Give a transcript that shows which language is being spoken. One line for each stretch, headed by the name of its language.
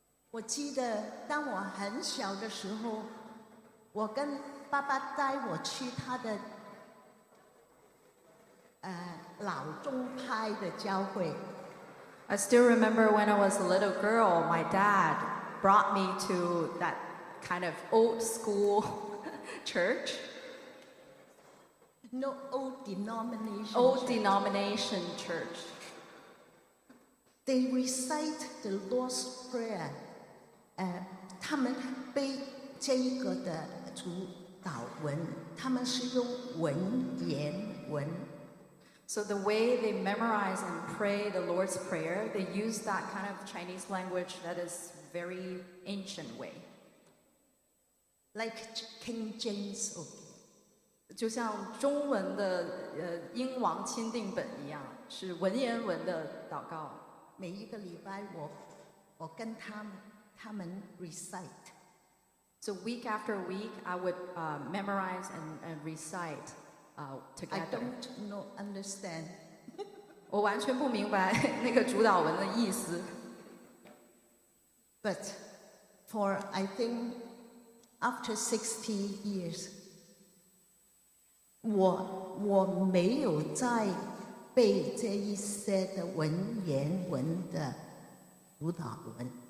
Chinese: 我记得当我很小的时候，我跟爸爸带我去他的老中派的教会。
English: I still remember when I was a little girl, my dad brought me to that kind of old school church. No, old denomination. Old denomination church. They recite the Lord's Prayer.
Chinese: 他们背这个的主祷文，他们是用文言文。
English: So the way they memorize and pray the Lord's Prayer, they use that kind of Chinese language that is very ancient way. Like King James.
Chinese: 就像中文的英王钦定本一样，是文言文的祷告。每一个礼拜我跟他们 recite.
English: So week after week, I would memorize and recite. Together. I don't know, understand.
Chinese: 我完全不明白那个主导文的意思。
English: But for, I think, after 60 years,
Chinese: 我没有再背这一些的文言文的主导文。